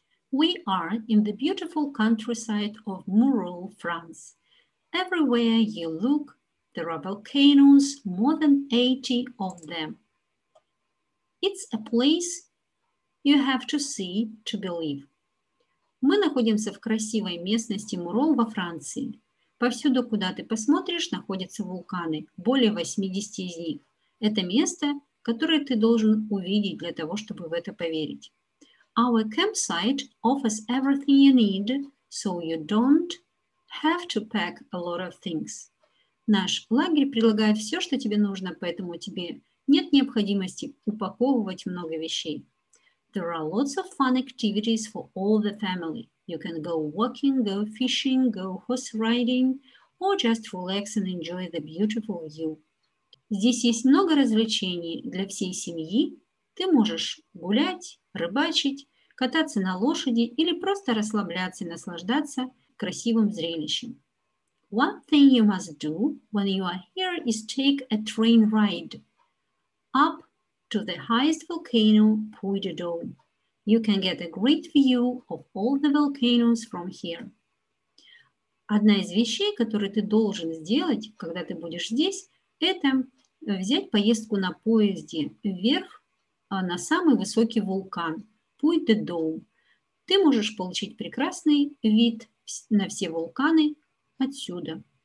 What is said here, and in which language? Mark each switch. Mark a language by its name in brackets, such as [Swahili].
[English] We are in the beautiful countryside of rural France. Everywhere you look, there are volcanoes, more than 80 of them. It's a place you have to see to believe. [Russian] Мы находимся в красивой местности Мурол во Франции. Повсюду, куда ты посмотришь, находятся вулканы, более 80 из них. Это место, которое ты должен увидеть для того, чтобы в это поверить. [English] Our campsite offers everything you need, so you don't have to pack a lot of things. [Russian] Наш лагерь предлагает все, что тебе нужно, поэтому тебе нет необходимости упаковывать много вещей. [English] There are lots of fun activities for all the family. You can go walking, go fishing, go horse riding, or just relax and enjoy the beautiful view. [Russian] Здесь есть много развлечений для всей семьи. Ты можешь гулять, рыбачить, кататься на лошади или просто расслабляться и наслаждаться красивым зрелищем. [English] One thing you must do when you are here is take a train ride up to the highest volcano, Pupil. You can get a great view of all the volcanoes from here. [Russian] Одна из вещей, которые ты должен сделать, когда ты будешь здесь, это взять поездку на поезде вверх на самый высокий вулкан, Point the Dome. Ты можешь получить прекрасный вид на все вулканы отсюда.